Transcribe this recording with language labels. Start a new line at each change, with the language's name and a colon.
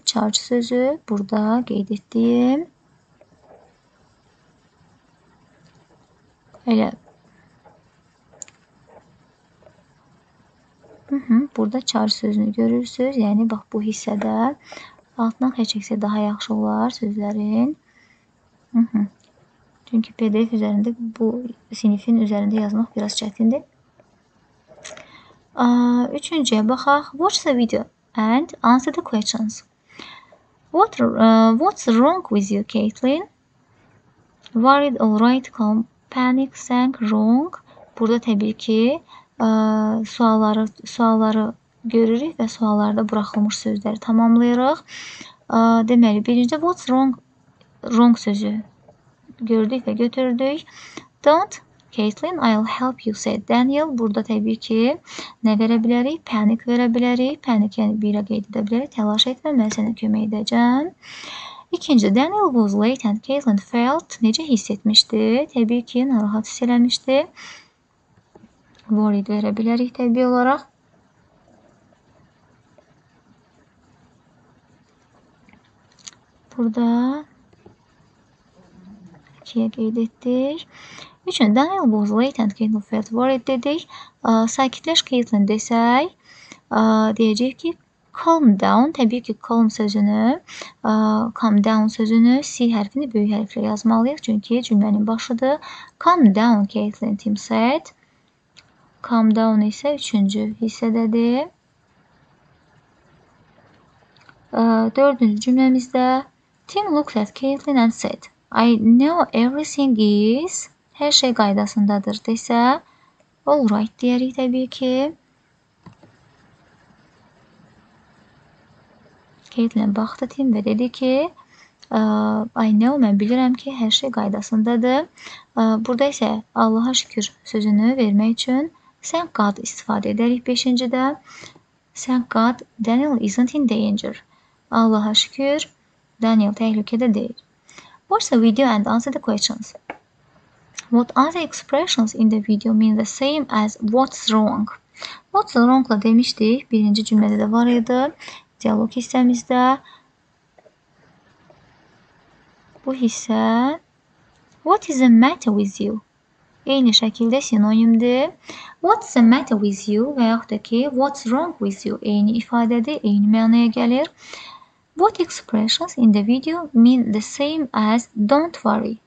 Azerbaijani: Charge sözü burada qeyd etdiyim. Elə. Burada charge sözünü görürsüz. Yəni, bax, bu hissədə altına xəçəksə daha yaxşı olar sözlərin. Çünki PDF üzərində bu sinifin üzərində yazmaq biraz çətindir. Üçüncüyə baxaq.
English: Watch the video and answer the questions. What's wrong with you, Caitlin? Worried, all right, calm. Panic, sank, wrong.
Azerbaijani: Burada təbii ki, sualları görürük və suallarda buraxılmış sözləri tamamlayırıq. Deməli, birinci, what's wrong sözü gördük və götürdük. Don't
English: Caitlin, I'll help you, said Daniel.
Azerbaijani: Burada tabii ki ne verebiliriz? Panic verebiliriz. Panic yani bir qeyd edə bilərik. Təlaş etmə, mən sənə kömək edəcəm.
English: İkinci, Daniel was late and Caitlin felt
Azerbaijani: necə hiss etmişdi? Təbii ki, narahat hiss eləmişdi. Worried verə bilərik təbii olaraq. Burada 2-yə qeyd etdik.
English: Üçün, Daniel was late and Caitlin felt worried dedik.
Azerbaijani: Sakitləş Caitlin desək, deyəcək ki, calm down, təbii ki, calm sözünü, calm down sözünü C hərfini böyük hərflə yazmalıyıq. Çünki cümlənin başıdır.
English: Calm down, Caitlin, Tim said.
Azerbaijani: Calm down isə üçüncü hissədədir. Dördüncü cümləmizdə,
English: Tim looked at Caitlin and said, I know everything is,
Azerbaijani: hər şey qaydasındadır desə,
English: all right
Azerbaijani: deyərik təbii ki. Caitlin baxdı Tim və dedi ki,
English: I know,
Azerbaijani: mən bilirəm ki, hər şey qaydasındadır. Burada isə Allaha şükür sözünü vermək üçün thank God istifadə edərik 5-ci-də.
English: Thank God, Daniel isn't in danger.
Azerbaijani: Allaha şükür, Daniel təhlükədə deyil.
English: Watch the video and answer the questions. What are the expressions in the video mean the same as what's wrong?
Azerbaijani: What's wrong-la demişdik, birinci cümlədə də var idi. Diyalog hissəmizdə bu hissə
English: What is the matter with you?
Azerbaijani: Eyni şəkildə sinonimdir.
English: What's the matter with you?
Azerbaijani: Və yaxud da ki,
English: what's wrong with you?
Azerbaijani: Eyni ifadədir, eyni mənaya gəlir.
English: What expressions in the video mean the same as don't worry?